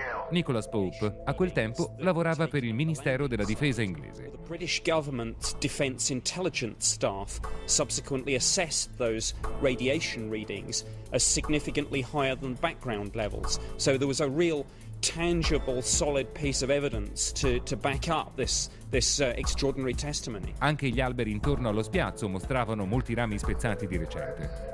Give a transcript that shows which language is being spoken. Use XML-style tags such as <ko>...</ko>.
<it>Nicholas Pope, a quel tempo, lavorava per il Ministero della Difesa inglese.</it> <en>The British government's defense intelligence staff subsequently assessed those radiation readings as significantly higher than background levels. So there was a real tangible, solid piece of evidence to back up this extraordinary testimony.</en> <it>Anche gli alberi intorno allo spiazzo mostravano molti rami spezzati di recente.</it>